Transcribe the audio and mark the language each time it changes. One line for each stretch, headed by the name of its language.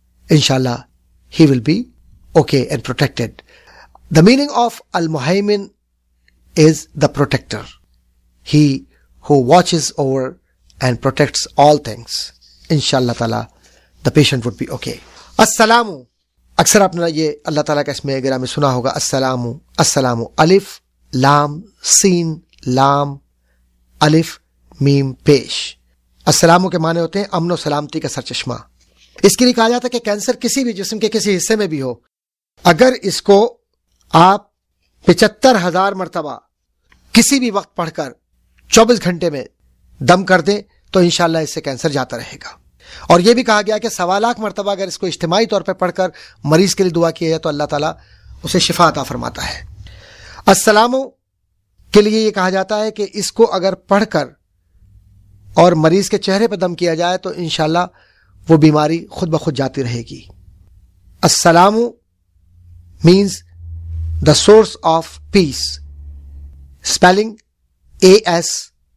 English: Inshallah, he will be okay and protected. The meaning of Al-Muhaymin is the protector, he who watches over and protects all things. Inshallah Ta'ala, the patient would be okay.
Urdu: Assalamu, اکثر آپ نے یہ اللہ تعالیٰ کا اسم اگرہ میں سنا ہوگا, Assalamu, Assalamu, Alif, Lam, Sin, لام الف میم پیش. السلاموں کے معنی ہوتے ہیں امن و سلامتی کا سرچشمہ. اس کے لیے کہا جاتا ہے کہ کینسر کسی بھی جسم کے کسی حصے میں بھی ہو, اگر اس کو آپ 75,000 مرتبہ کسی بھی وقت پڑھ کر 24 گھنٹے میں دم کر دیں تو انشاءاللہ اس سے کینسر جاتا رہے گا. اور یہ بھی کہا گیا کہ 125,000 مرتبہ اگر اس کو اجتماعی طور پہ پڑھ کر مریض کے لیے دعا کیا جائے تو اللہ تعالیٰ اسے شفا عطا فرماتا ہے. السلاموں کے لیے یہ کہا جاتا ہے کہ اس کو اگر پڑھ کر اور مریض کے چہرے پہ دم کیا جائے تو انشاءاللہ وہ بیماری خود بخود جاتی رہے گی.
English: السلام means the source of peace. Spelling ASSALAMOO.